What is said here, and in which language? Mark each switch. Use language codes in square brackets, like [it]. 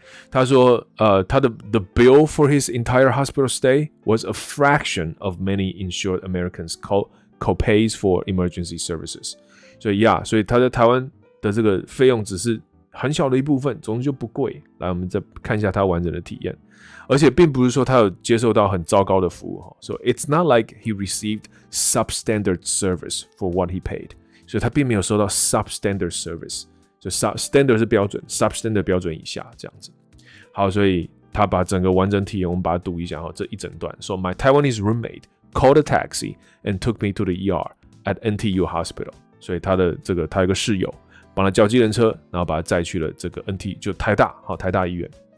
[zh] 他说他的 [en] the bill for his entire hospital stay was a fraction of many insured Americans co-pays for emergency services. [zh] 所以呀，所以他在台湾的这个费用只是很小的一部分，总之就不贵。来，我们再看一下他完整的体验。而且并不是说他有接受到很糟糕的服务。 [en] So it's not like he received substandard service for what he paid. [zh] 所以他并没有收到 substandard service。就 standard 是标准 ，substandard 标准以下这样子。好，所以他把整个完整体验，我们把它读一下哈，这一整段。 [en] So my Taiwanese roommate called a taxi and took me to the ER at NTU Hospital. [zh] 所以他的这个他有一个室友帮他叫计程车，然后把他载去了这个 NT 就台大，好台大医院。